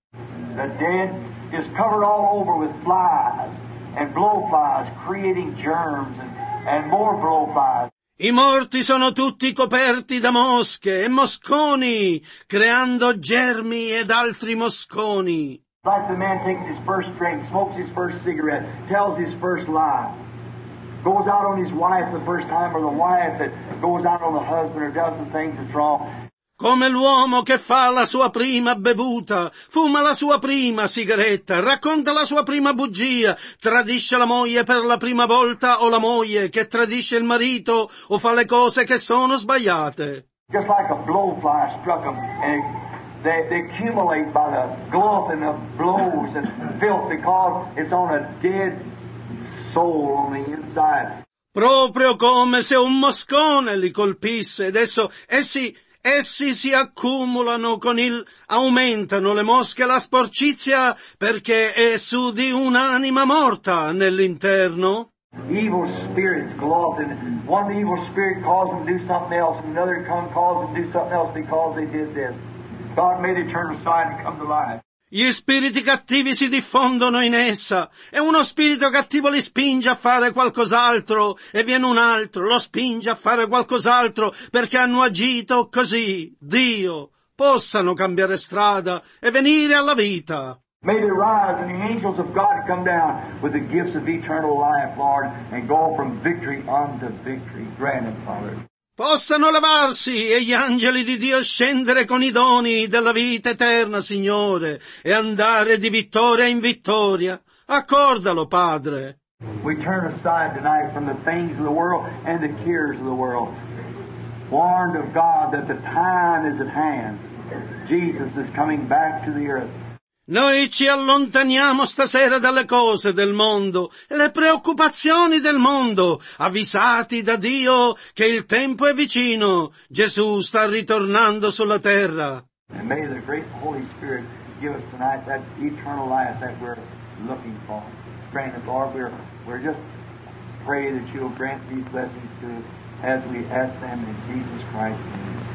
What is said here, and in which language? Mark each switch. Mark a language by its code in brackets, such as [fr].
[en] The dead is covered all over with flies and blowflies, creating germs and more blowflies. [it] I morti sono tutti coperti da mosche e mosconi, creando germi ed altri mosconi. [en] Like the man takes his first drink, smokes his first cigarette, tells his first lie, goes out on his wife the first time, or the wife that goes out on the husband or does the things that's wrong. [it] Come l'uomo che fa la sua prima bevuta, fuma la sua prima sigaretta, racconta la sua prima bugia, tradisce la moglie per la prima volta, o la moglie che tradisce il marito, o fa le cose che sono sbagliate. [en] Just like a blowfly struck them, and they accumulate by the glove and the blows and filth because it's on a dead soul on the inside. [it] Proprio come se un moscone li colpisse, adesso essi si accumulano con il, aumentano le mosche, la sporcizia, perché è su di un'anima morta nell'interno. [en] Evil spirits glove, and one evil spirit caused them to do something else, and another come caused them to do something else because they did this. God made it turn aside and come to life. [it] Gli spiriti cattivi si diffondono in essa, e uno spirito cattivo li spinge a fare qualcos'altro, e viene un altro, lo spinge a fare qualcos'altro, perché hanno agito così. Dio, possano cambiare strada e venire alla vita. [en] May they rise and the angels of God come down with the gifts of eternal life, Lord, and go from victory unto victory. Grant it, Father. [it] possano levarsi e gli angeli di Dio scendere con i doni della vita eterna, Signore, e andare di vittoria in vittoria. Accordalo, Padre. [en] We turn aside tonight from the things of the world and the cares of the world, warned of God that the time is at hand. Jesus is coming back to the earth. [it] Noi ci allontaniamo stasera dalle cose del mondo e le preoccupazioni del mondo, avvisati da Dio che il tempo è vicino. Gesù sta ritornando sulla terra. [en] And may the great Holy Spirit give us tonight that eternal life that we're looking for. Grant it, Lord, we're just pray that you'll grant these blessings to us as we ask them in Jesus Christ's name.